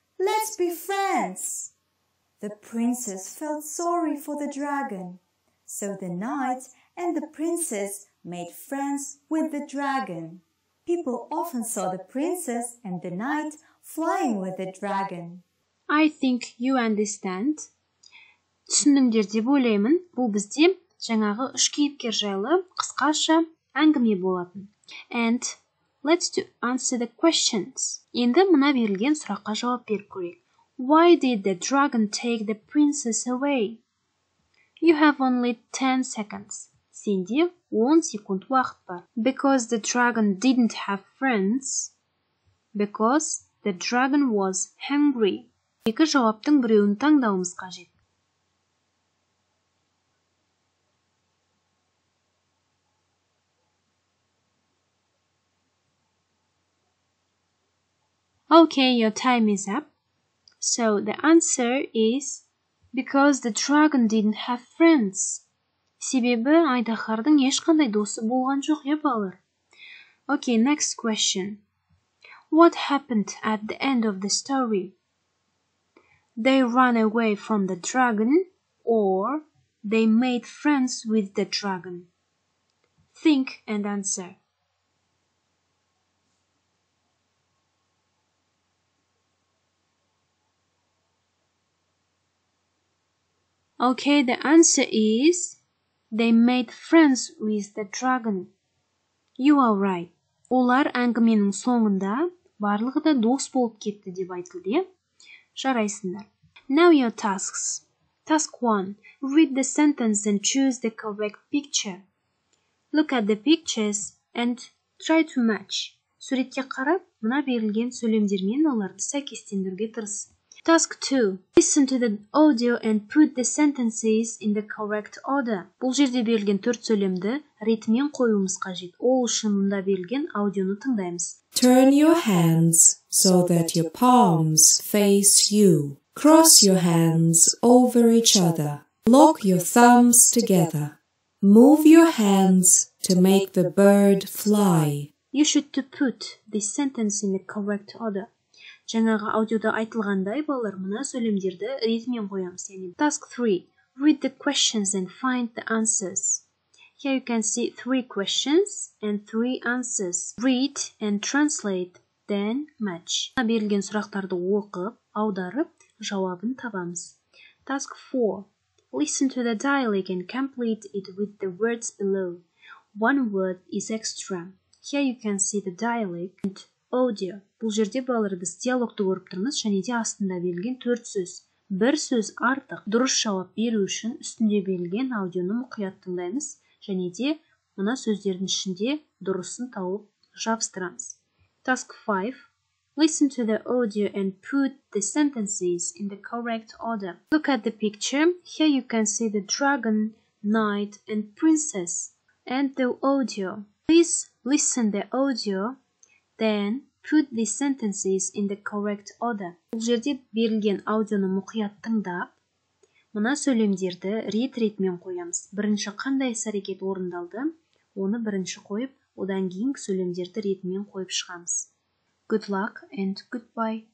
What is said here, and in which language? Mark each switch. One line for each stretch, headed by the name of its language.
English: Let's be friends. The princess felt sorry for the dragon, so the knight and the princess made friends with the dragon. People often saw the princess and the knight flying with the dragon. I think you understand.
Kazakh: Түсіндіңдер деп ойлаймын, бұл бізде жаңағы үш кейіпкер жайлы қысқаша әңгіме болатын.
English: And let's to answer the questions.
Kazakh: Енді мына берілген сұраққа жауап беріп көрейік.
English: Why did the dragon take the princess away? You have only 10 seconds.
Kazakh: Сенде 10 секунд уақыт бар.
English: Because the dragon didn't have friends. Because the dragon was hungry.
Kazakh: Екі жауаптың біреуін таңдауымыз қажет.
English: Okay, your time is up. So the answer is because the dragon didn't have friends.
Kazakh: Себебі айдахардың ешқандай досы болған жоқ, е, балалар.
English: Okay, next question. What happened at the end of the story? They ran away from the dragon or they made friends with the dragon. Think and answer. Okay, the answer is they made friends with the dragon. You are right.
Kazakh: Олар әңгіменің соңында барлығы да дос болып кетті деп айтылды. Жарайсыңдар.
English: Now your tasks. Task 1. Read the sentence and choose the correct picture. Look at the pictures and try to match.
Kazakh: Суретке қарап, мына берілген сөйлемдермен оларды сәйкестендіруге тырыс.
English: Task 2. Listen to the audio and put the sentences in the correct order.
Kazakh: Бұл жерде берілген 4 сөйлемді ритммен қоюымыз қажет. Ол үшін мында берілген аудионы тыңдаймыз.
English: Turn your hands so that your palms face you. Cross your hands over each other. Lock your thumbs together. Move your hands to make the bird fly. You should to put this sentence in the correct order.
Kazakh: Жаңағы аудиода айтылғандай, балалар, мына сөйлемдерді ритммен қоямыз. Яғни,
English: task 3. Read the questions and find the answers. Here you can see 3 questions and 3 answers. Read and translate, then match.
Kazakh: Берілген сұрақтарды оқып, аударып, жауабын табамыз.
English: Task 4. Listen to the dialogue and complete it with the words below. One word is extra. Here you can see the dialogue and audio.
Kazakh: Бұл жерде балалар біз диалогты көріп тұрмыз, және де астында берілген 4 сөз. Бір сөз артық дұрыс жауап беру үшін үстінде берілген аудионы мұқият тыңдаймыз, және де мына сөздердің ішінде дұрысын тауып жабыстырамыз.
English: Task 5. Listen to the audio and put the sentences in the correct order. Look at the picture. Here you can see the dragon, knight and princess and the audio. Please listen the audio, then put the sentences in the correct order.
Kazakh: Бұл жерде берілген аудионы мұқият тыңдап, мына сөйлемдерді рет-ретмен қоямыз. Бірінші қандай әрекет орындалды, оны бірінші қойып, одан кейін сөйлемдерді ретмен қойып шығамыз.
English: Good luck and goodbye.